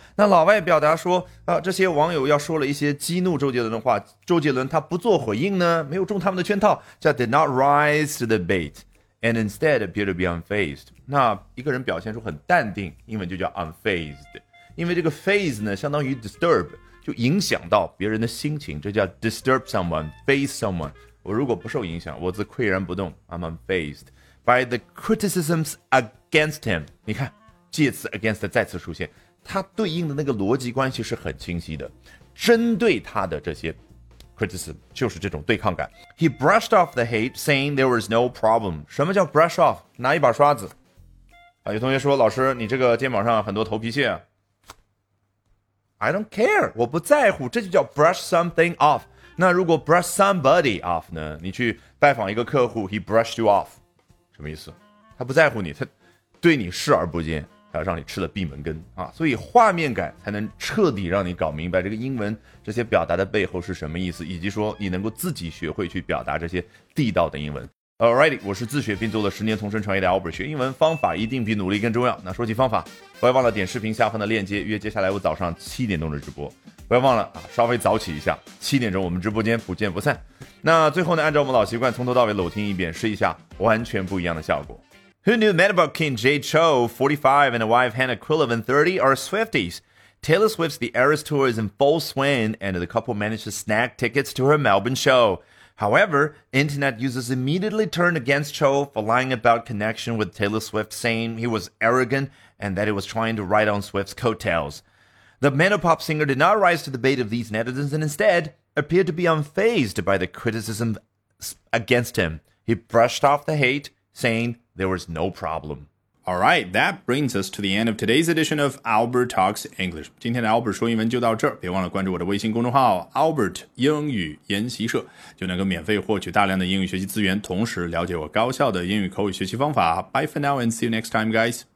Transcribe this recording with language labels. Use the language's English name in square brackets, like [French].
[Chinese] 那老外表达说这些网友要说了一些激怒周杰伦的话，周杰伦他不做回应呢，没有中他们的圈套，叫 [English] did not rise to the bait and instead appear to be unfazed。 [Chinese] 那一个人表现出很淡定，英文就叫 unfazed， 因为这个 phase 呢相当于 disturb，就影响到别人的心情，这叫 [English] disturb someone, phase someone。 [Chinese] 我如果不受影响，我自岿然不动， [English] I'm unfazed by the criticisms against him。 [Chinese] 你看介词 against 再次出现，它对应的那个逻辑关系是很清晰的，针对他的这些 criticism 就是这种对抗感。 [English] He brushed off the hate saying there was no problem。 [Chinese] 什么叫 [English] brush off？ [Chinese] 拿一把刷子啊。有同学说，老师你这个肩膀上很多头皮屑啊， [English] I don't care， [Chinese] 我不在乎，这就叫 [English] brush something off。 [Chinese] 那如果 [English] brush somebody off [Chinese] 呢，你去拜访一个客户， [English] he brushed you off， [Chinese] 什么意思？他不在乎你，他对你视而不见，他让你吃了闭门羹啊。所以画面感才能彻底让你搞明白这个英文这些表达的背后是什么意思，以及说你能够自己学会去表达这些地道的英文。 Alrighty， 我是自学并做了10年同声传译的 Albert， 学英文方法一定比努力更重要。那说起方法，不要忘了点视频下方的链接约接下来我早上7点的直播，不要忘了啊，稍微早起一下，7点我们直播间不见不散。那最后呢，按照我们老习惯，从头到尾搂听一遍，试一下完全不一样的效果。 [English] Who knew Mandopop King Jay Chou 45 and wife Hannah Quinlivan 30 are Swifties？ Taylor Swift's The Eras Tour is in full swing, and the couple managed to snag tickets to her Melbourne show. However, internet users immediately turned against Cho for lying about connection with Taylor Swift, saying he was arrogant and that he was trying to ride on Swift's coattails. The menopop singer did not rise to the bait of these netizens and instead appeared to be unfazed by the criticism against him. He brushed off the hate, saying there was no problem. All right, that brings us to the end of today's edition of Albert Talks English. [Chinese] 今天的 Albert 说英文就到这儿，别忘了关注我的微信公众号 Albert 英语研习社，就能够免费获取大量的英语学习资源，同时了解我高效的英语口语学习方法。 [English] Bye for now and see you next time, guys.